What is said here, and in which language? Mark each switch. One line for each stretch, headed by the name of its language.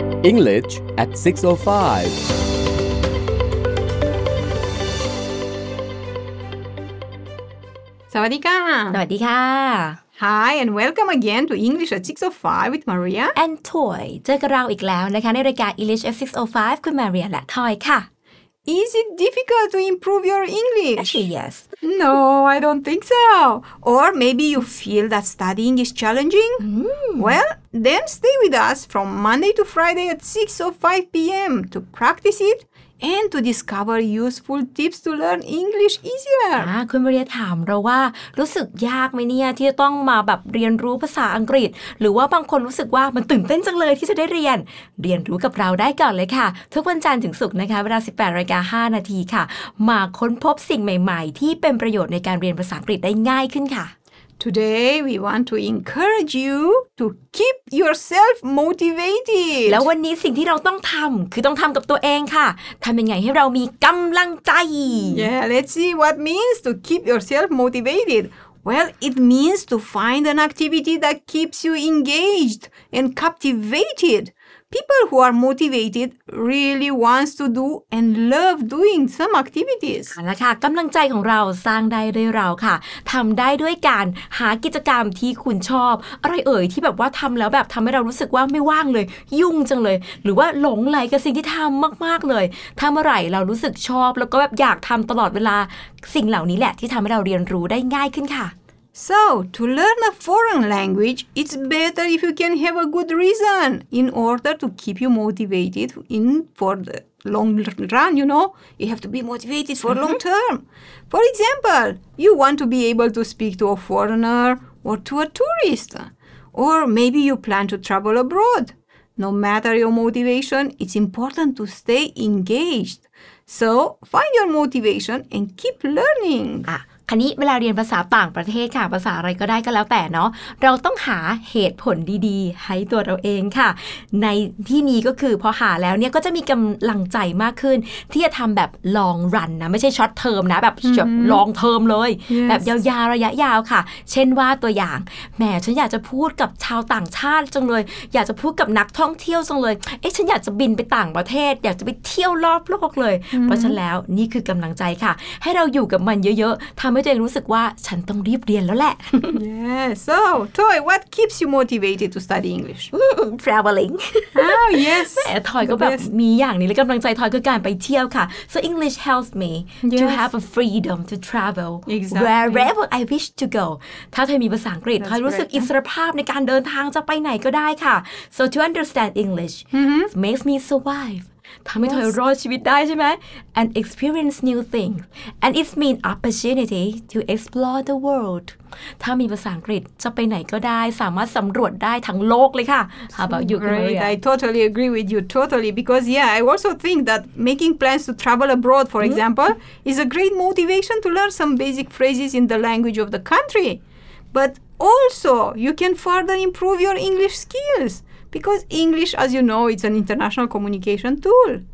English: English at 6:05.
Thai: สวัสดีค่ะ สวัสดีค่ะ
English: Hi and welcome again to English at 605 with Maria and Toy.
Thai: เจอกับเราอีกแล้วนะคะในรายการ English at 605คุณมาเรียและ Toy ค่ะ
English: Is it difficult to improve your English? Actually, yes. No, I don't think so. Or maybe you feel that studying is challenging? Well, then stay with us from Monday to Friday at 6:05 p.m. to practice it and to discover useful tips to learn English easier.
Thai: คุณมาเรียถามเราว่ารู้สึกยากไหมเนี่ยที่จะต้องมาแบบเรียนรู้ภาษาอังกฤษหรือว่าบางคนรู้สึกว่ามันตื่นเต้นจังเลยที่จะได้เรียนเรียนรู้กับเราได้ก่อนเลยค่ะทุกวันจันทร์ถึงศุกร์นะคะเวลา 18:05 น. ค่ะมาค้นพบสิ่งใหม่ๆที่เป็นประโยชน์ในการเรียนภาษาอังกฤษได้ง่ายขึ้นค่ะ
English: Today we want to encourage you to keep yourself motivated
Thai: แล้ววันนี้สิ่งที่เราต้องทำคือต้องทำกับตัวเองค่ะทำยังไงให้เรามีกำลังใจ
English: Yeah, let's see what means to keep yourself motivated. Well, it means to find an activity that keeps you engaged and captivated. People who are motivated really wants to do and love doing some activities.
Thai: เอาละค่ะกำลังใจของเราสร้างได้ด้วยเราค่ะทำได้ด้วยการหากิจกรรมที่คุณชอบอะไรเอ่ยที่แบบว่าทำแล้วแบบทำให้เรารู้สึกว่าไม่ว่างเลยยุ่งจังเลยหรือว่าหลงไหลกับสิ่งที่ทำมากๆเลยถ้าเมื่อไหร่เรารู้สึกชอบแล้วก็แบบอยากทำตลอดเวลาสิ่งเหล่านี้แหละที่ทำให้เราเรียนรู้ได้ง่ายขึ้นค่ะ
English: So, to learn a foreign language, it's better if you can have a good reason in order to keep you motivated in for the long run, you know. You have to be motivated for long term. For example, you want to be able to speak to a foreigner or to a tourist. Or maybe you plan to travel abroad. No matter your motivation, it's important to stay engaged. So, find your motivation and keep learning.
Thai: คันนี้เวลาเรียนภาษาต่างประเทศค่ะภาษาอะไรก็ได้ก็แล้วแต่เนาะเราต้องหาเหตุผลดีๆให้ตัวเราเองค่ะในที่นี้ก็คือพอหาแล้วเนี่ยก็จะมีกำลังใจมากขึ้นที่จะทำแบบ long run นะไม่ใช่ short term นะแบบ long term เลย
English: yes.
Thai: แบบยาวๆระยะยาวค่ะเช่นว่าตัวอย่างแหมฉันอยากจะพูดกับชาวต่างชาติจังเลยอยากจะพูดกับนักท่องเที่ยวจังเลยเอ๊ะฉันอยากจะบินไปต่างประเทศอยากจะไปเที่ยวรอบโลกเลยเพราะฉะนั้นแล้วนี่คือกำลังใจค่ะให้เราอยู่กับมันเยอะๆทำใหรู้สึกว่าฉันต้องรีบเรียนแล้วแหละ
English: Yeah, so, Toy, what keeps you motivated to study English? Traveling Oh, yes
Thai: แต่ Toy ก็แบบมีอย่างนี้และกำลังใจ Toy คือการไปเที่ยวค่ะ
English: So English helps me to have a freedom to travel wherever I wish to go
Thai: ถ้า Toy มีภาษาอังกฤษ Toy รู้สึกอิสรภาพในการเดินทางจะไปไหนก็ได้ค่ะ
English: So to understand English makes me surviveth amay toy rod
Thai: ชีวิตได้ใช่มั้ย
English: and experience new things and it's mean opportunity to explore the world
Thai: ถ้ามีภาษาอังกฤษจะไปไหนก็ได้สามารถสำรวจได้ทั้งโลกเลยค่ะ
English: how about you Maria I totally agree with you totally because yeah I also think that making plans to travel abroad for example is a great motivation to learn some basic phrases in the language of the country but also you can further improve your English skillsBecause English, as you know, it's an international communication tool.